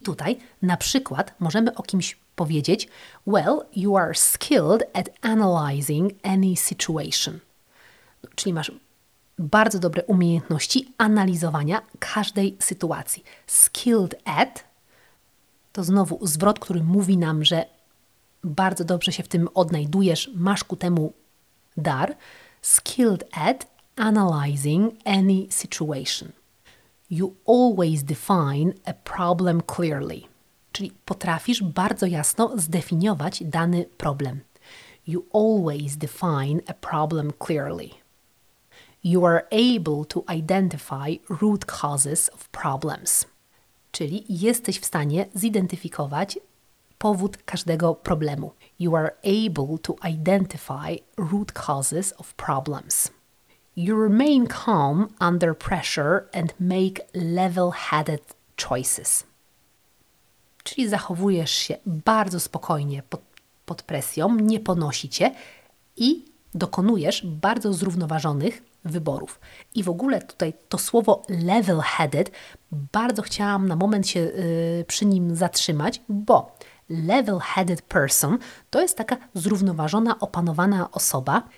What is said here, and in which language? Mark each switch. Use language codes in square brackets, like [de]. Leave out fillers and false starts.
[pl] Tutaj na przykład możemy o kimś powiedzieć: [en] well, you are skilled at analyzing any situation. [pl] Czyli masz bardzo dobre umiejętności analizowania każdej sytuacji. Skilled at to znowu zwrot, który mówi nam, że bardzo dobrze się w tym odnajdujesz, masz ku temu dar. [en] Skilled at analyzing any situation. You always define a problem clearly. [pl] Czyli potrafisz bardzo jasno zdefiniować dany problem. [en] You always define a problem clearly. You are able to identify root causes of problems. [pl] Czyli jesteś w stanie zidentyfikować powód każdego problemu. [en] You are able to identify root causes of problems. You remain calm under pressure and make level-headed choices. [pl] Czyli zachowujesz się bardzo spokojnie pod presją, nie ponosi cię i dokonujesz bardzo zrównoważonych wyborów. I w ogóle tutaj to słowo level-headed, bardzo chciałam na moment się przy nim zatrzymać, bo level-headed person to jest taka zrównoważona, opanowana osoba.